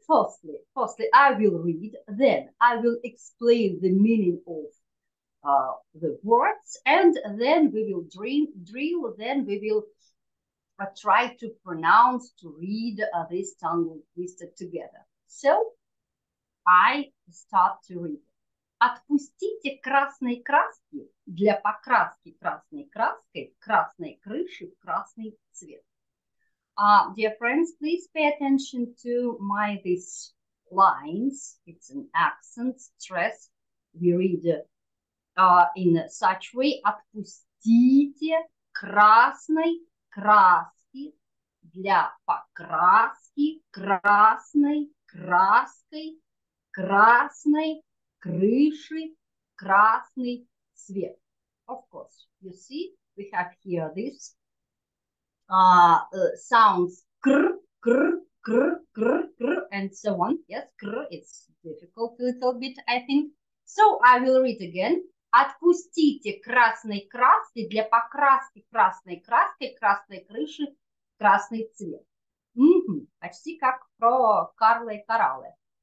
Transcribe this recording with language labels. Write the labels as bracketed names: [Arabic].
[English] Firstly, I will read, then I will explain the meaning of the words, and then we will drill, then we will try to pronounce, to read this tongue twister together. So, I start to read. [Russian] Отпустите красные краски для покраски красной краской красной крыши в красный цвет. [English] Dear friends, please pay attention to my these lines. It's an accent stress. We read in such way, [Russian] отпустите красной краски для покраски красной краской красной крыши красный цвет. [English] Of course, you see, we have here this sounds кр, кр, кр, кр, кр, and so on. Yes, кр, it's difficult a little bit, I think. So I will read again. [Russian] Отпустите красной краской для покраски красной краской красной крыши красный цвет. Mm-hmm. Почти как про Карла и Кораллы.